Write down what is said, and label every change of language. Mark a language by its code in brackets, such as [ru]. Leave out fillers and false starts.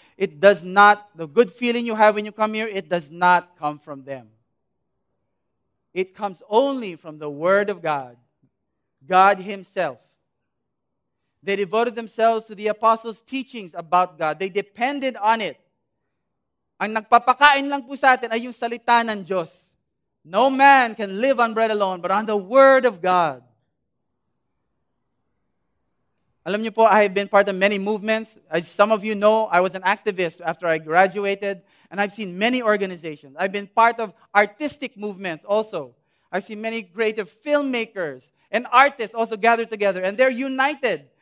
[en] It does not, the good feeling you have when you come here, it does not come from them. It comes only from the Word of God, God Himself. They devoted themselves to the apostles' teachings about God. They depended on it. [tl] Ang nagpapakain lang po sa atin ay yung salita ng Diyos. [en] No man can live on bread alone, but on the Word of God. [tl] Alam niyo po, [en] I have been part of many movements. As some of you know, I was an activist after I graduated, and I've seen many organizations. I've been part of artistic movements also. I've seen many creative filmmakers and artists also gather together, and they're united.